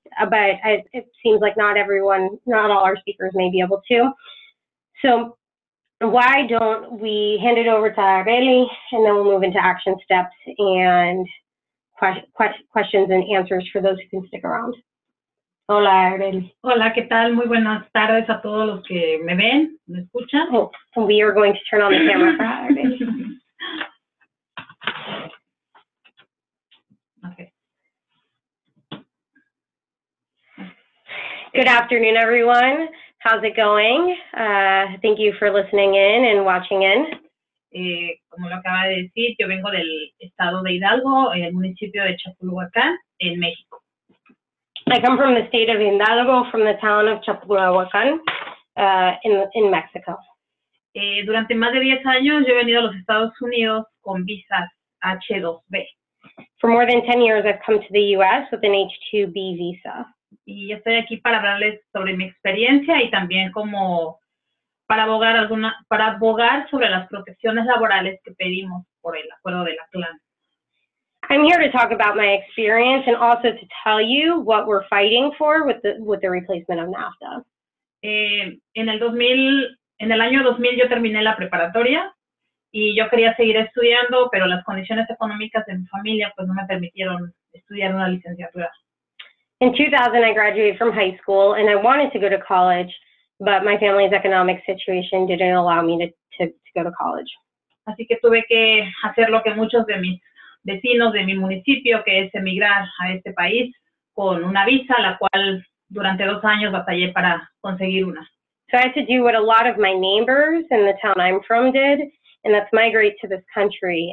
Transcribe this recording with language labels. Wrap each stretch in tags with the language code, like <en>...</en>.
<en>But it seems like not all our speakers may be able to. So, why don't we hand it over to Areli, and then we'll move into action steps and questions and answers for those who can stick around.</en> <es>Hola, Areli. Hola, ¿qué tal? Muy buenas tardes a todos los que me ven, me escuchan.</es> <en>Oh, we are going to turn on the camera for Areli. Good afternoon, everyone. How's it going? Thank you for listening in and watching in.</en> <es>Como lo acaba de decir, yo vengo del estado de Hidalgo, en el municipio de Chapultepec, en México.</es> <en>I come from the state of Hidalgo, from the town of Chapultepec, in Mexico.</en> <es>Durante más de 10 años, yo he venido a los Estados Unidos con visas H-2B.</es> <en>For more than 10 years, I've come to the U.S. with an H-2B visa.</en> <es>Y yo estoy aquí para hablarles sobre mi experiencia y también como para abogar sobre las protecciones laborales que pedimos por el acuerdo de la CLAN.</es> <en>I'm here to talk about my experience and also to tell you what we're fighting for with the replacement of NAFTA.</en> <es>En el año 2000 yo terminé la preparatoria y yo quería seguir estudiando, pero las condiciones económicas de mi familia pues no me permitieron estudiar una licenciatura.</es> <en>In 2000, I graduated from high school, and I wanted to go to college, but my family's economic situation didn't allow me to go to college.</en> <es>Así que tuve que hacer lo que muchos de mis vecinos de mi municipio, que es emigrar a este país con una visa, la cual durante 2 años batallé para conseguir una.</es> <en>So I had to do what a lot of my neighbors in the town I'm from did, and that's migrate to this country.</en>